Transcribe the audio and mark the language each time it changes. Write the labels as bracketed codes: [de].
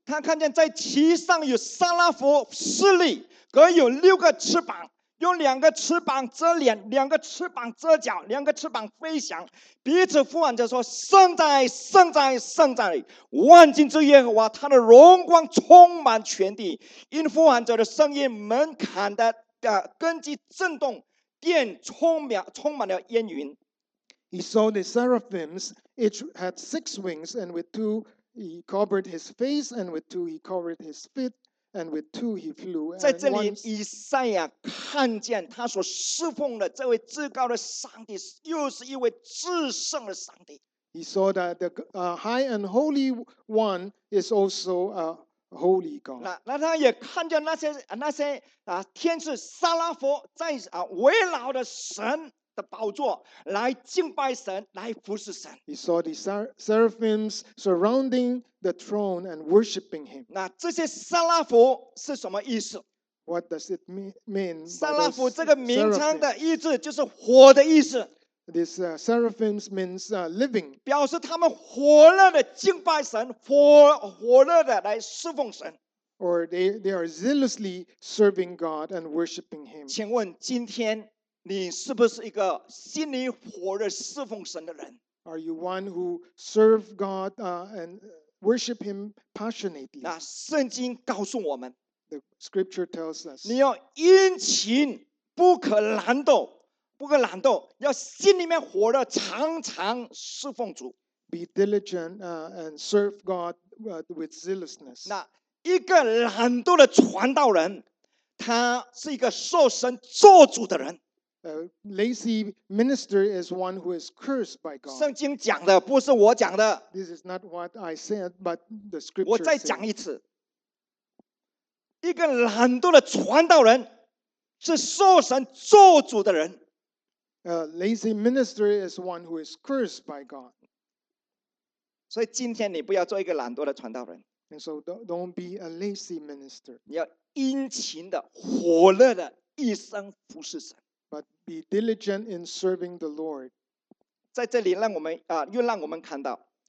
[zh] 他看见在其上有撒拉佛势力，各有六个翅膀，用两个翅膀遮脸，两个翅膀遮脚，两个翅膀飞翔，彼此呼喊着说：“圣哉，圣哉，圣哉！万军之耶和华，他的荣光充满全地。”因呼喊者的声音，门槛的根基震动。殿充满了烟云。 [en] He saw the seraphims, each had six wings, and with two he covered his face, and with two he covered his feet, and with two he flew. [zh] 在这里，以赛亚看见他所侍奉的这位至高的上帝，又是一位至圣的上帝。 [en] He saw that the high and holy one is also a holy God. [zh] 那他也看见那些天使撒拉佛在围绕的神的宝座来敬拜神，来服侍神。 [en] He saw the seraphims surrounding the throne and worshiping him. [zh] 那这些撒拉佛是什么意思 [en] ？What does it mean? [zh] 撒拉佛这个名称的意思就是火的意思。 [en] This seraphims means living. [zh] 表示他们火热的敬拜神，火热的来侍奉神。 [en] Or they are zealously serving God and worshiping Him. [zh] 请问今天你是不是一个心里火热侍奉神的人 [en] ？Are you one who serve God and worship Him passionately? [zh] 那圣经告诉我们 [en] ，The Scripture tells us， [zh] 你要殷勤，不可懒惰。不可懒惰，要心里面火热，常常侍奉主。 [en] Be diligent and serve God with zealousness. [zh] 那一个懒惰的传道人，他是一个受神咒诅的人。 [en] A lazy minister is one who is cursed by God. [zh] 圣经讲的不是我讲的。 [en] This is not what I said, but the scripture. [zh] 我再讲一次，一个懒惰的传道人是受神咒诅的人。 [en] A lazy minister is one who is cursed by God. [zh] 所以今天你不要做一个懒惰的传道人。 [en] And so don't be a lazy minister. [zh] 你要殷勤的、火热的一生服侍神。 [en] But be diligent in serving the Lord. [zh] 在这里让我们又让我们看到。